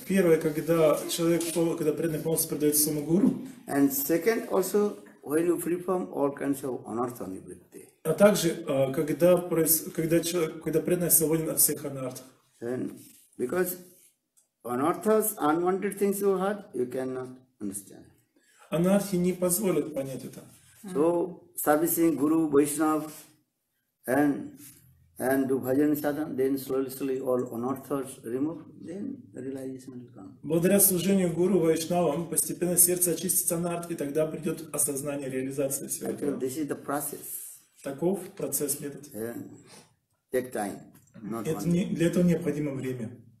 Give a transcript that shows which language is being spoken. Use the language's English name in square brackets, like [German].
[Russian] Первое, когда человек, когда преданный полностью предает своему Гуру. [English] And second, also when you free from all kinds of anarthami vritti. [Russian] А также, когда преданный свободен от всех анартх. [English] Because anarthas, unwanted things in your heart, you cannot understand. [Russian] Анархи не позволят понять это. [English] So, servicing Guru, Vaishnav, and do bhajan sadhana, then slowly all anarthas remove, then realization will come. [Russian] Благодаря служению Guru, Vaishnavam, постепенно сердце очистится анарх, и тогда придет осознание реализации всего этого. [English] Okay, this is the process. [Russian] Таков процесс, метод. [English] And take time. [Russian] Это не, для этого необходимо время.